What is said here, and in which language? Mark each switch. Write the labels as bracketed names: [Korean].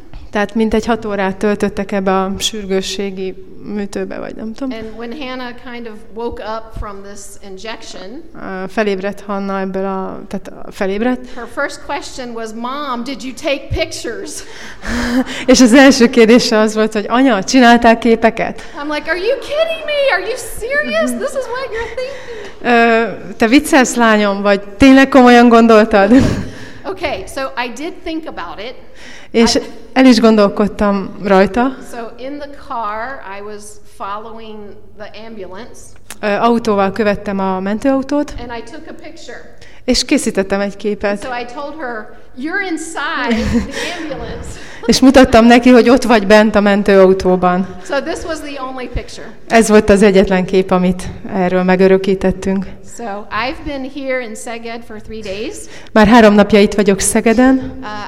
[Hungarian] Tehát mintegy 6 órát töltöttek ebbe a sürgősségi műtőbe, vagy nem tudom. [English] And when Hannah kind of woke up from this injection. [Hungarian] Felébredt Hanna ebből a, tehát felébredt. [English] Her first question was, "Mom, did you take pictures?" [Hungarian] És az első kérdése az volt, hogy anya, csináltál képeket? [English] I'm like, "Are you kidding me? Are you serious? This is what you're thinking?" [Hungarian] Te viccelsz, lányom, vagy tényleg komolyan gondoltad? [English] Okay, so I did think about it. [Hungarian] És el is gondolkodtam rajta. [English] So in the car I was following the ambulance. [Hungarian] Autóval követtem a mentőautót. [English] And I took a picture. [Hungarian] És készítettem egy képet. [English] So I told her, "You're inside the ambulance." [Hungarian] És mutattam neki, hogy ott vagy bent a mentőautóban. [English] So this was the only picture. [Hungarian] Ez volt az egyetlen kép, amit erről megörökítettünk. [English] So I've been here in Szeged for 3 days. [Hungarian] Már 3 napja itt vagyok Szegeden.